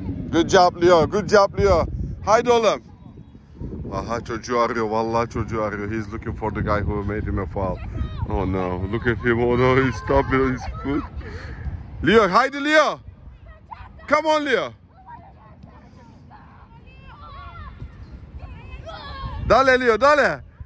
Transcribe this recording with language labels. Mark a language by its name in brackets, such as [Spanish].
[English] Good job Leo, good job Leo. [Turkish] Haydi oğlum. Aha çocuğu arıyor, vallahi çocuğu arıyor. [English] He's looking for the guy who made him a foul. Oh no, look at him, oh no, he's stopping his foot. Leo, [Turkish] haydi [English] Leo. Come on Leo. [Spanish] Dale Leo, dale.